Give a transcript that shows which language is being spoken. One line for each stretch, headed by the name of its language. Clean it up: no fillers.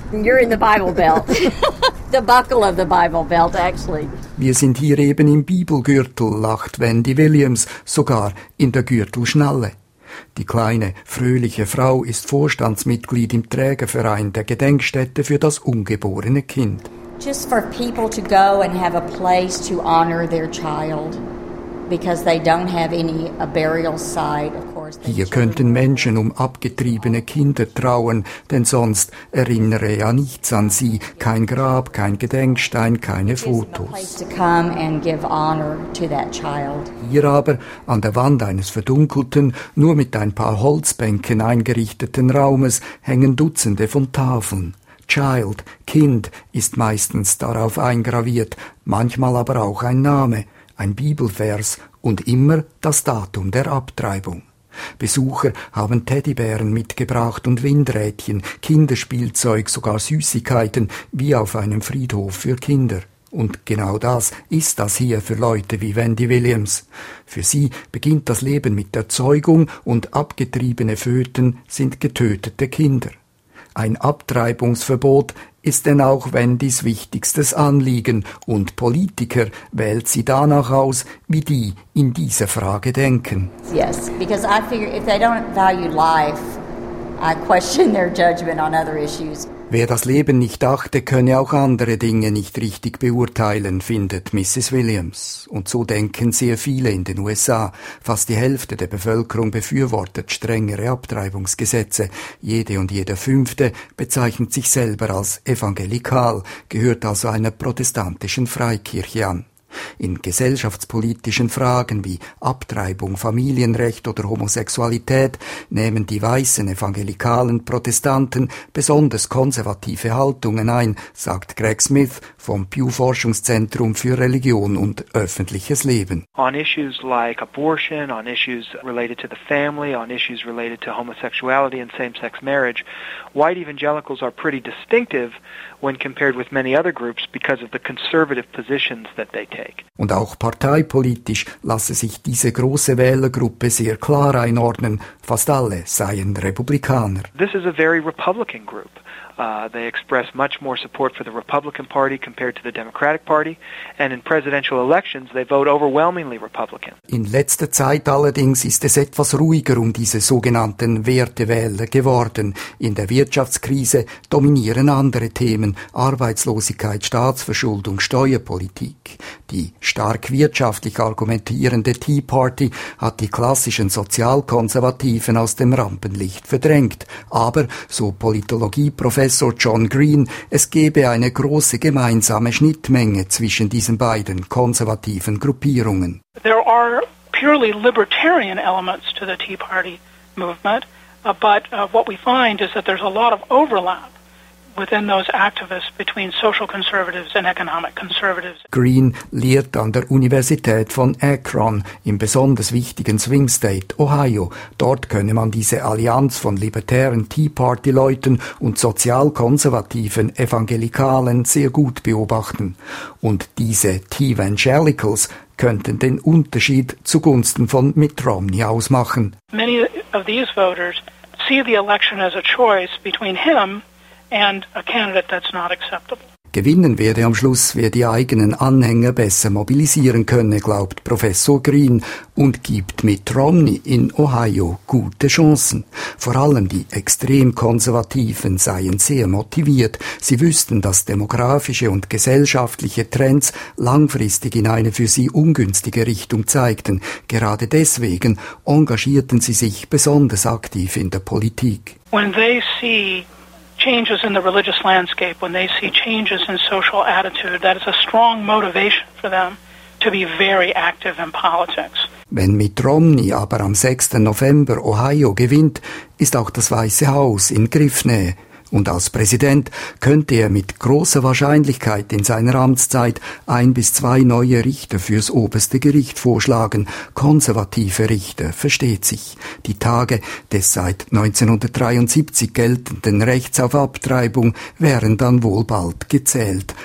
English: You're in the Bible Belt. The buckle of the Bible Belt, actually.
German: Wir sind hier eben im Bibelgürtel, lacht Wendy Williams, sogar in der Gürtelschnalle. Die kleine, fröhliche Frau ist Vorstandsmitglied im Trägerverein der Gedenkstätte für das ungeborene Kind.
English: Just for people to go and have a place to honor their child, because they don't have any a burial site, of course.
German: Hier könnten Menschen um abgetriebene Kinder trauern, denn sonst erinnere ja nichts an sie, kein Grab, kein Gedenkstein, keine Fotos.
English: To come and give honor to that child.
German: Hier aber an der Wand eines verdunkelten, nur mit ein paar Holzbänken eingerichteten Raumes hängen Dutzende von Tafeln. Child, Kind, ist meistens darauf eingraviert, manchmal aber auch ein Name, ein Bibelvers und immer das Datum der Abtreibung. Besucher haben Teddybären mitgebracht und Windrädchen, Kinderspielzeug, sogar Süßigkeiten, wie auf einem Friedhof für Kinder. Und genau das ist das hier für Leute wie Wendy Williams. Für sie beginnt das Leben mit der Zeugung und abgetriebene Föten sind getötete Kinder. Ein Abtreibungsverbot ist denn auch Wendys wichtigstes Anliegen und Politiker wählt sie danach aus, wie die in dieser Frage denken.
English: Yes, because I figure if they don't value life, I question their judgment on other issues.
German: Wer das Leben nicht achte, könne auch andere Dinge nicht richtig beurteilen, findet Mrs. Williams. Und so denken sehr viele in den USA. Fast die Hälfte der Bevölkerung befürwortet strengere Abtreibungsgesetze. Jede und jeder Fünfte bezeichnet sich selber als evangelikal, gehört also einer protestantischen Freikirche an. In gesellschaftspolitischen Fragen wie Abtreibung, Familienrecht oder Homosexualität nehmen die weißen evangelikalen Protestanten besonders konservative Haltungen ein, sagt Greg Smith vom Pew-Forschungszentrum für Religion und öffentliches Leben.
English: On issues like abortion, on issues related to the family, on issues related to homosexuality and same-sex marriage, white evangelicals are pretty distinctive when compared with many other groups because of the conservative positions that they take.
German: Und auch parteipolitisch lasse sich diese große Wählergruppe sehr klar einordnen. Fast alle seien Republikaner.
English: This is a very Republican group. They express much more support for the Republican Party compared to the Democratic Party, and in presidential elections they vote overwhelmingly Republican.
German: In letzter Zeit allerdings ist es etwas ruhiger um diese sogenannten Wertewähler geworden. In der Wirtschaftskrise dominieren andere Themen: Arbeitslosigkeit, Staatsverschuldung, Steuerpolitik. Die stark wirtschaftlich argumentierende Tea Party hat die klassischen Sozialkonservativen aus dem Rampenlicht verdrängt. Aber, so Politologieprofessor Professor John Green, es gebe eine große gemeinsame Schnittmenge zwischen diesen beiden konservativen Gruppierungen.
English: There are purely libertarian elements to the Tea Party movement, but what we find is that there's a lot of overlap within those activists between social conservatives and economic conservatives.
German: Green lehrt an der Universität von Akron im besonders wichtigen Swing State Ohio. Dort könne man diese Allianz von libertären Tea Party Leuten und sozialkonservativen Evangelikalen sehr gut beobachten. Und diese Tea Evangelicals könnten den Unterschied zugunsten von Mitt Romney ausmachen.
English: Many of these voters see the election as a choice between him and a candidate that's not acceptable.
German: Gewinnen werde am Schluss, wer die eigenen Anhänger besser mobilisieren könne, glaubt Professor Green und gibt Mitt Romney in Ohio gute Chancen. Vor allem die extrem Konservativen seien sehr motiviert. Sie wüssten, dass demografische und gesellschaftliche Trends langfristig in eine für sie ungünstige Richtung zeigten. Gerade deswegen engagierten sie sich besonders aktiv in der Politik.
English: When they see changes in the religious landscape, when they see changes in social attitude, that is a strong motivation for them to be very active in politics.
German: Wenn Mitt Romney aber am 6. November Ohio gewinnt, ist auch das Weiße Haus in Griffnähe. Und als Präsident könnte er mit großer Wahrscheinlichkeit in seiner Amtszeit 1 bis 2 neue Richter fürs oberste Gericht vorschlagen. Konservative Richter, versteht sich. Die Tage des seit 1973 geltenden Rechts auf Abtreibung wären dann wohl bald gezählt.